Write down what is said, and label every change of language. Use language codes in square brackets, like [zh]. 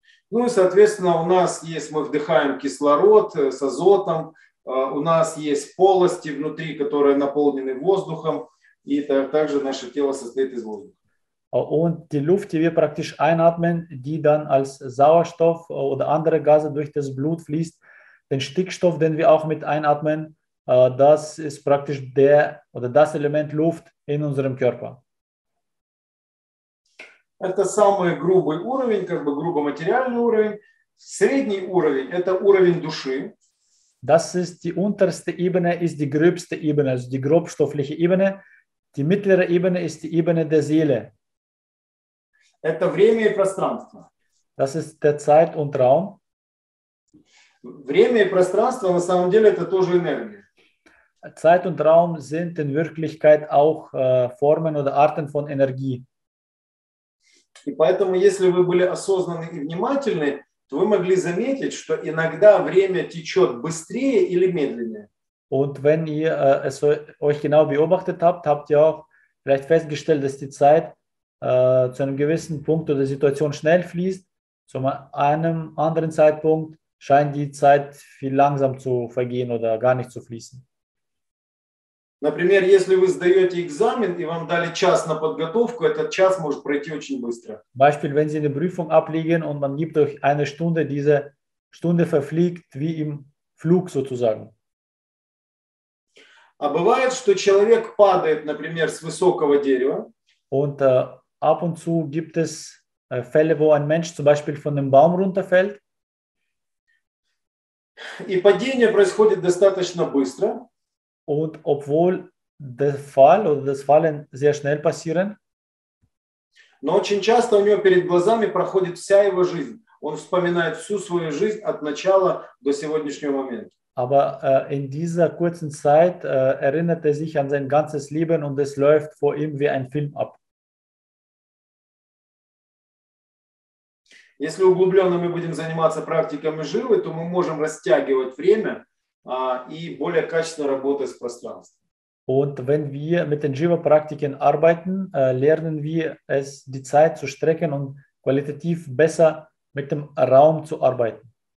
[ru] Ну и, соответственно, у нас есть, мы вдыхаем кислород с азотом, у нас есть полости внутри, которые наполнены воздухом, и также наше тело состоит из воздуха. [de] Und die Luft, die wir praktisch einatmen, die dann als Sauerstoff oder andere Gase durch das Blut fließt, den Stickstoff, den wir auch mit einatmen, das ist praktisch der oder das Element Luft in unserem Körper. [ru] Это самый грубый уровень, как бы грубо материальный уровень. Средний уровень – это уровень души. [de] Das ist die unterste Ebene, ist die gröbste Ebene, also die grobstoffliche Ebene. Die mittlere Ebene ist die Ebene der Seele. [ru] Это время и пространство. [de] Das ist der Zeit und Raum. [ru] Время и пространство на самом деле это тоже энергия. [de] Zeit und Raum sind in Wirklichkeit auch Formen oder Arten von Energie. [ru] И поэтому, если вы были осознанны и внимательны, то вы могли заметить, что иногда время течет быстрее или медленнее. [de] Und wenn ihr es euch genau beobachtet habt, habt ihr auch vielleicht festgestellt, dass die Zeit zu einem gewissen Punkt oder Situation schnell fließt, zu einem anderen Zeitpunkt scheint die Zeit viel langsam zu vergehen oder gar nicht zu fließen. [ru] Например, если вы сдаете экзамен и вам дали час на подготовку, этот час может пройти очень быстро. [de] Beispiel, wenn Sie eine Prüfung ablegen und man gibt euch eine Stunde, diese Stunde verfliegt wie im Flug sozusagen. [ru] А бывает, что человек падает, например, с высокого дерева. [de] Und ab und zu gibt es Fälle, wo ein Mensch zum Beispiel von einem Baum runterfällt. [ru] И падение происходит достаточно быстро. [de] Und obwohl der Fall oder das Fallen sehr schnell passieren. [ru] Но очень часто у него перед глазами проходит вся его жизнь. Он вспоминает всю свою жизнь от начала до сегодняшнего момента. [de] Aber in dieser kurzen Zeit erinnert sich an sein ganzes Leben und es läuft vor ihm wie ein Film ab. [ru] Если углубленно мы будем заниматься практиками живы, то мы можем растягивать время и более качественно работать с пространством. [de] Und wenn wir mit den Jiva-Praktiken arbeiten, lernen wir es, die Zeit zu strecken und qualitativ besser mit dem Raum zu arbeiten.